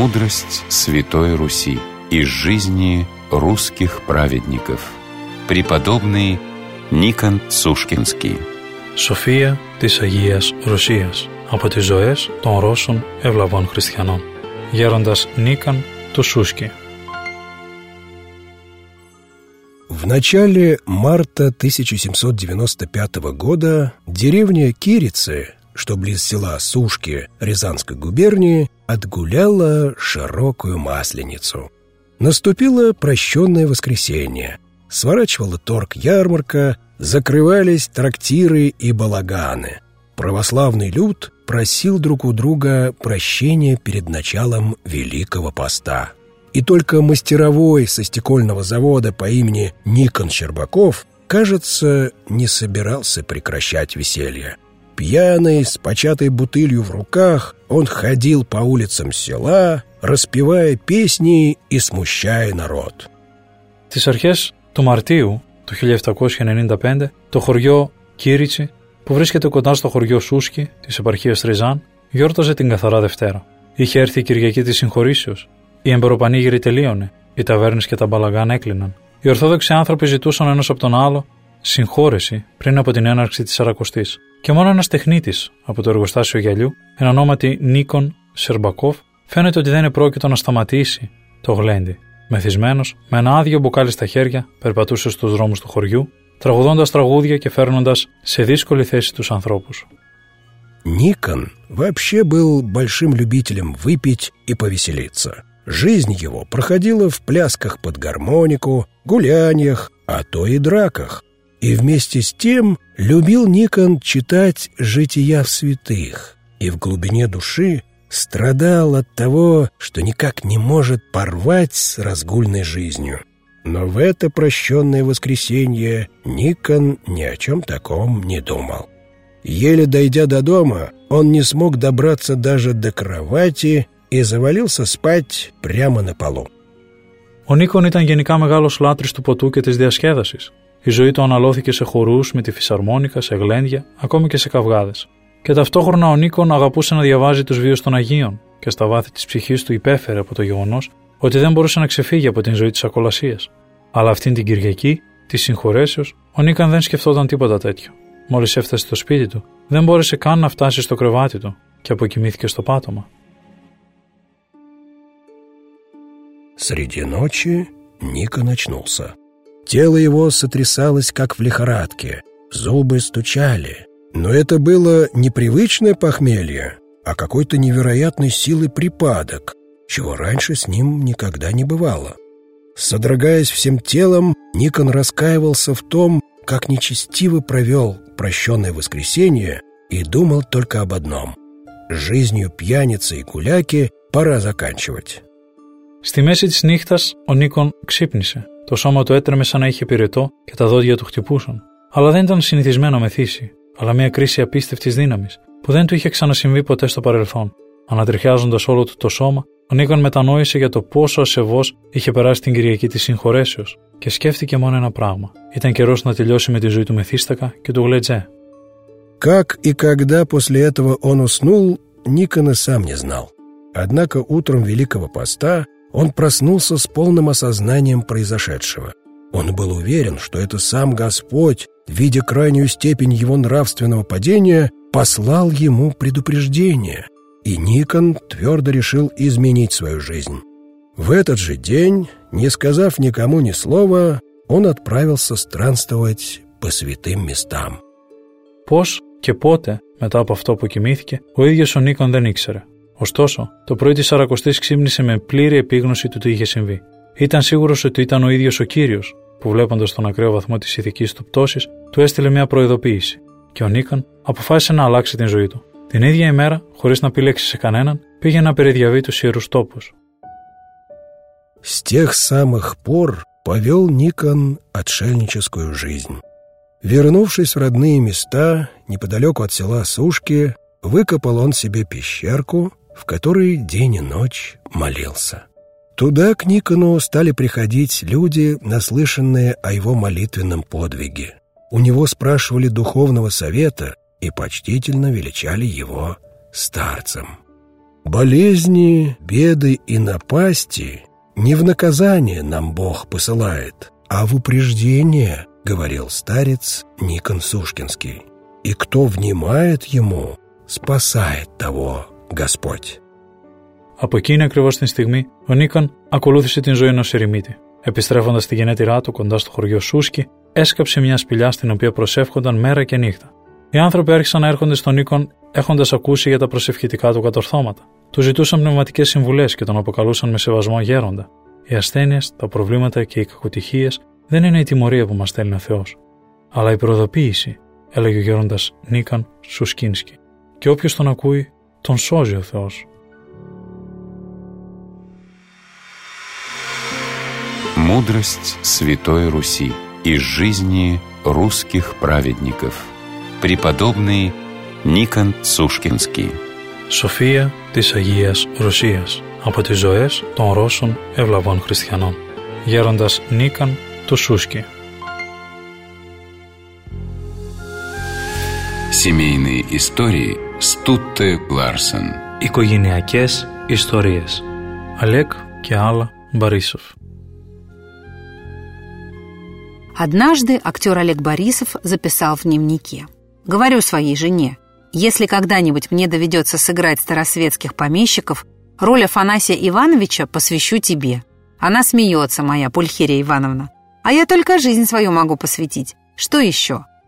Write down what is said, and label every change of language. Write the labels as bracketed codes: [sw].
[ru] «Мудрость Святой Руси из жизни русских праведников». Преподобный Никон Сушкинский. [el] «София της Агίας Ρωσίας» από τις ζωές των Ρώσων ευλαβών χριστιανών. Γέροντας Νίκαν του Σούσκι. [ru] В начале марта 1795 года деревня Кирицы, что близ села Сушки Рязанской губернии, отгуляла широкую масленицу. Наступило прощенное воскресенье. Сворачивала торг-ярмарка, закрывались трактиры и балаганы. Православный люд просил друг у друга прощения перед началом Великого поста. И только мастеровой со стекольного завода по имени Никон Щербаков, кажется, не собирался прекращать веселье. Пьяный, с початой бутылью в руках, он ходил по улицам села, распевая песни и смущая народ. [el] Στις αρχές του Μαρτίου του 1795, το χωριό Κήρυτσι, που βρίσκεται κοντά στο χωριό Σούσκι της επαρχίας Ριζάν, γιόρταζε την Καθαρά Δευτέρα. Είχε έρθει η Κυριακή της Συγχωρήσεως. Οι εμπεροπανήγυροι τελείωνε, οι ταβέρνες και τα μπαλαγάν έκλειναν. Οι Ορθόδοξοι άνθρωποι ζητούσαν ένας από τον άλλο συγχώρεση πριν από την έναρξη της Σαρακοστής. Και μόνο ένας τεχνίτης από το εργοστάσιο γυαλιού, εν ονόματι Νίκον Σερμπακόφ, φαίνεται ότι δεν επρόκειτο να σταματήσει το γλέντι. Μεθυσμένος, με ένα άδειο μπουκάλι στα χέρια, περπατούσε στους δρόμους του χωριού, τραγουδώντας τραγούδια και φέρνοντας σε δύσκολη θέση τους ανθρώπους. [ru] Никон вообще был большим любителем выпить и повеселиться. Жизнь его проходила в плясках под гармонику, гуляниях, а то и драках. И вместе с тем любил Никон читать жития святых и в глубине души страдал от того, что никак не может порвать с разгульной жизнью. Но в это прощенное воскресенье Никон ни о чем таком не думал. Еле дойдя до дома, он не смог добраться даже до кровати и завалился спать прямо на полу. [el] Ο Νίκον ήταν γενικά μεγάλος λάτρης του ποτού και της διασκέδασης. Η ζωή του αναλώθηκε σε χορούς, με τη φυσαρμόνικα, σε γλέντια, ακόμη και σε καυγάδες. Και ταυτόχρονα ο Νίκον αγαπούσε να διαβάζει τους βίους των Αγίων και στα βάθη της ψυχής του υπέφερε από το γεγονός ότι δεν μπορούσε να ξεφύγει από την ζωή της ακολασίας. Αλλά αυτήν την Κυριακή, της συγχωρέσεως, ο Νίκον δεν σκεφτόταν τίποτα τέτοιο. Μόλις έφτασε στο σπίτι του, δεν μπόρεσε καν να φτάσει στο κρεβάτι του και αποκοιμήθηκε στο πάτωμα. [ru] Среди ночи Никон очнулся. Тело его сотрясалось, как в лихорадке, зубы стучали. Но это было не привычное похмелье, а какой-то невероятной силы припадок, чего раньше с ним никогда не бывало. Содрогаясь всем телом, Никон раскаивался в том, как нечестиво провел прощенное воскресенье и думал только об одном – жизнью пьяницы и гуляки пора заканчивать. [el] Στη μέση της νύχτας ο Νίκον ξύπνησε. Το σώμα του έτρεμε σαν να είχε πυρετό και τα δόντια του χτυπούσαν. Αλλά δεν ήταν συνηθισμένο μεθύσει, αλλά μια κρίση απίστευτης δύναμης που δεν του είχε ξανασυμβεί ποτέ στο παρελθόν. Ανατριχιάζοντας όλο του το σώμα, ο Νίκον μετανόησε για το πόσο ασεβώς είχε περάσει την Κυριακή της συγχωρέσεως και σκέφτηκε μόνο ένα πράγμα. Ήταν καιρός να τελειώσει με τη ζωή του μεθύστακα και του γλετζέ. [ru] Как и когда после этого он уснул, Никона сам не знал. Однако утром Великого поста он проснулся с полным осознанием произошедшего. Он был уверен, что это сам Господь, видя крайнюю степень его нравственного падения, послал ему предупреждение. И Никон твердо решил изменить свою жизнь. В этот же день, не сказав никому ни слова, он отправился странствовать по святым местам. [el] Пос και πότε, μετά από αυτό που κοιμήθηκε, ο ίδιος ο Νίκον δεν ήξερε. Ωστόσο, το πρωί της Σαρακοστής ξύπνησε με πλήρη επίγνωση του τι είχε συμβεί. Ήταν σίγουρος ότι ήταν ο ίδιος ο Κύριος, που βλέποντας τον ακραίο βαθμό της ηθικής του πτώσης, του έστειλε μια προειδοποίηση. Και ο Νίκον αποφάσισε να αλλάξει την ζωή του. Την ίδια ημέρα, χωρίς να πει λέξη σε κανέναν, πήγε να περιδιαβεί τους ιερούς τόπους. [ru] С тех самых пор повел Никон отшельническую жизнь. Вернувшись в родные места, неподалеку от села Сушки, выкопал он себе пещерку, в которой день и ночь молился. Туда к Никону стали приходить люди, наслышанные о его молитвенном подвиге. У него спрашивали духовного совета и почтительно величали его старцем. Болезни, беды и напасти не в наказание нам Бог посылает, а в упреждение, говорил старец Никон Сушкинский. И кто внимает ему, спасает того Господь. [el] Από εκείνη ακριβώς την στιγμή, ο Νίκον ακολούθησε την ζωή ενός ερημίτη. Επιστρέφοντας στη γενέτειρά του κοντά στο χωριό Σούσκι, έσκαψε μια σπηλιά στην οποία προσεύχονταν μέρα και νύχτα. Οι άνθρωποι άρχισαν να έρχονται στον Νίκον έχοντας ακούσει για τα προσευχητικά του κατορθώματα. Του ζητούσαν πνευματικές συμβουλές και τον αποκαλούσαν με σεβασμό γέροντα. Οι ασθένειες, τα προβλήματα και οι κακοτυχίες δεν είναι η τιμωρία που μας στέλνει ο Θεός, αλλά η προδοποίηση, έλεγε ο γέροντας Νίκον Σουσκίνσκι. Και όποιος τον ακούει, τον σώζει ο Θεός. [ru] Мудрость Святой Руси из жизни русских праведников. Преподобный Никон Сушкинский. [el] София της Агίας Ρωσίας. Από τις ζωές των Ρώσων ευλαβών χριστιανών. Γέροντας Νίκον του Σούσκι. [ru] Семейные истории Стутте Ларсен. [el] Οικογενειακές ιστορίες. Олег και Άλλα Борисов. [ru] Однажды актер Олег Борисов записал в дневнике: «Говорю своей жене, если когда-нибудь мне доведется сыграть старосветских помещиков, роль Афанасия Ивановича посвящу тебе. Она смеется, моя Пульхерия Ивановна. А я только жизнь свою могу посвятить. Что еще?»